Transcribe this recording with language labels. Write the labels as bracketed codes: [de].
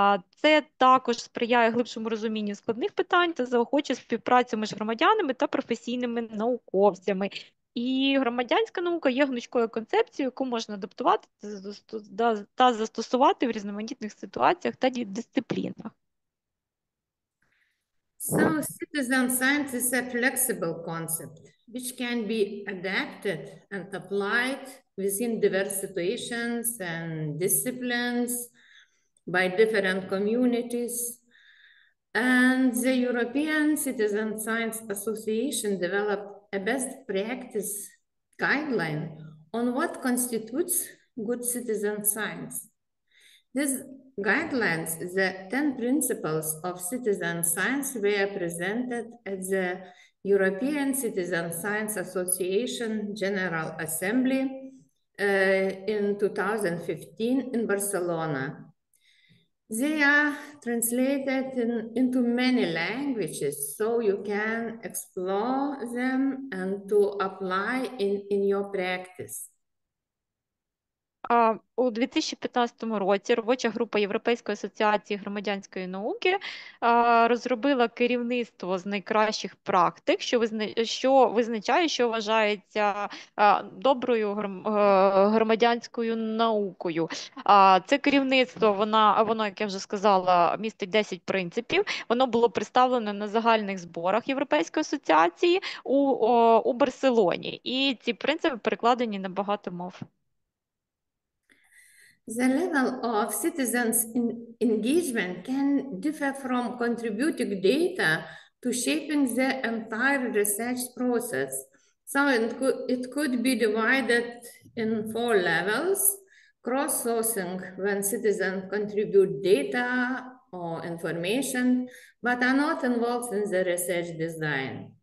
[uk] Це також сприяє глибшому розумінню складних питань та заохочує співпрацю між громадянами та професійними науковцями. І громадянська наука є гнучкою концепцією, яку можна адаптувати та застосувати в різноманітних ситуаціях та дисциплінах. [en] So, citizen science is a flexible concept which can be adapted and applied within diverse situations and disciplines by different communities. And the European Citizen Science Association developed a best practice guideline on what constitutes good citizen science. This guidelines, the 10 principles of citizen science, were presented at the European Citizen Science Association General Assembly in 2015 in Barcelona. They are translated into many languages, so you can explore them and to apply in your practice. [uk] У 2015 році робоча група Європейської асоціації громадянської науки розробила керівництво з найкращих практик, що визначає, що вважається доброю громадянською наукою. Це керівництво, воно, як я вже сказала, містить 10 принципів. Воно було представлено на загальних зборах Європейської асоціації у Барселоні. І ці принципи перекладені на багато мов. [en] The level of citizens' engagement can differ from contributing data to shaping the entire research process. So it could be divided in four levels: cross-sourcing, when citizens contribute data or information but are not involved in the research design.